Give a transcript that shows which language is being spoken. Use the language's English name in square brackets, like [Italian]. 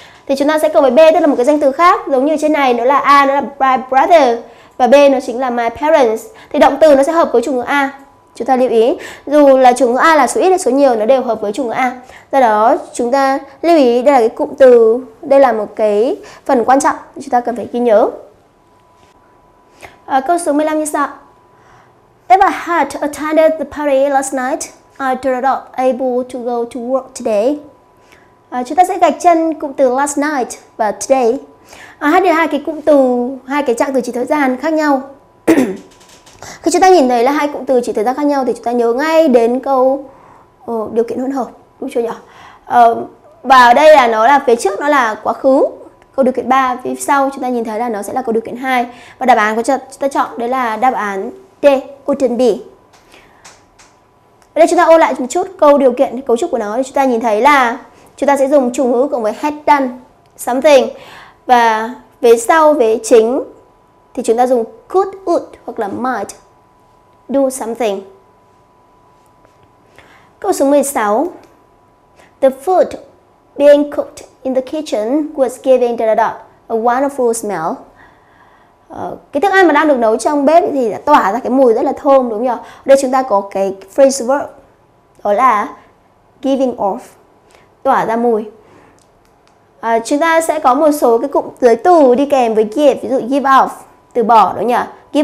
[Vietnamese] Thì chúng ta sẽ cộng với B, tức là một cái danh từ khác giống như trên này, nó là A, nó là [English] my brother, [Vietnamese] và B nó chính là [English] my parents. [Vietnamese] Thì động từ nó sẽ hợp với chủ ngữ A. Chúng ta lưu ý, dù là chủ ngữ A là số ít hay số nhiều, nó đều hợp với chủ ngữ A. Do đó chúng ta lưu ý đây là cái cụm từ, đây là một cái phần quan trọng chúng ta cần phải ghi nhớ. Câu số 15 như sau. [English] If I had attended the party last night, I would not be able to go to work today. [Vietnamese] Chúng ta sẽ gạch chân cụm từ [English] last night [Vietnamese] và today. Hát được hai cái cụm từ, hai cái trạng từ chỉ thời gian khác nhau. Khi chúng ta nhìn thấy là hai cụm từ chỉ thời gian khác nhau thì chúng ta nhớ ngay đến câu điều kiện hỗn hợp, đúng chưa nhỉ? Và ở đây là nó là phía trước nó là quá khứ, câu điều kiện 3, phía sau chúng ta nhìn thấy là nó sẽ là câu điều kiện 2. Và đáp án của chúng ta chọn đấy là đáp án D, [English] wouldn't be. [Vietnamese] Ở đây chúng ta ôn lại một chút câu điều kiện, cấu trúc của nó. Chúng ta nhìn thấy là chúng ta sẽ dùng chủ ngữ cùng với [English] had done something. [Vietnamese] Và về sau, về chính thì chúng ta dùng could, would hoặc là [English] might do something. [Vietnamese] Câu số 16. [English] The food being cooked in the kitchen was giving a wonderful smell. [Vietnamese] Cái thức ăn mà đang được nấu trong bếp thì đã tỏa ra cái mùi rất là thơm, đúng không nhỉ? Đây chúng ta có cái phrase verb đó là [English] giving off, [Vietnamese] tỏa ra mùi. Chúng ta sẽ có một số cái cụm giới từ đi kèm với give, ví dụ [English] give off, [Vietnamese] từ bỏ, đúng không nhỉ?